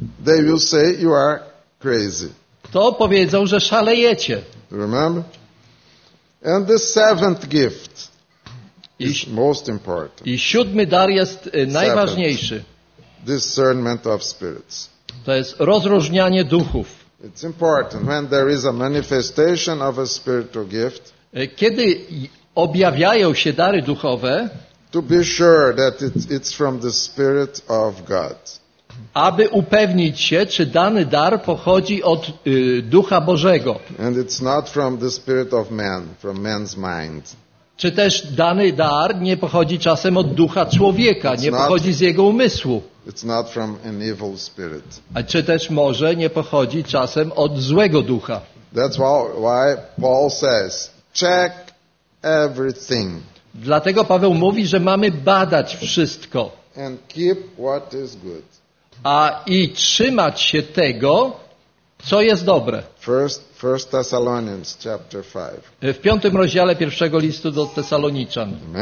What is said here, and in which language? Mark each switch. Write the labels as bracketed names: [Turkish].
[English] they will say you are crazy. [Polish] To powiedzą, że szalejecie. [English] Remember? And the seventh gift is most important. [Polish] I siódmy dar jest najważniejszy. [English] Discernment of spirits. [Polish] To jest rozróżnianie duchów. [English] It's important when there is a manifestation of a spiritual gift. [Polish] Kiedy objawiają się dary duchowe, [English] to be sure that it's from the Spirit of God. [Polish] Aby upewnić się, czy dany dar pochodzi od Ducha Bożego. [English] And it's not from the spirit of man, from man's mind. [Polish] Czy też dany dar nie pochodzi czasem od ducha człowieka, nie pochodzi z jego umysłu. [English] It's not from an evil spirit. [Polish] A czy też może nie pochodzi czasem od złego ducha. [English] That's why Paul says, check everything. [Polish] Dlatego Paweł mówi, że mamy badać wszystko. [English] And keep what is good. [Polish] A i trzymać się tego, co jest dobre. [English] First Thessalonians chapter 5. [Polish] W piątym rozdziale pierwszego listu do Tesaloniczan.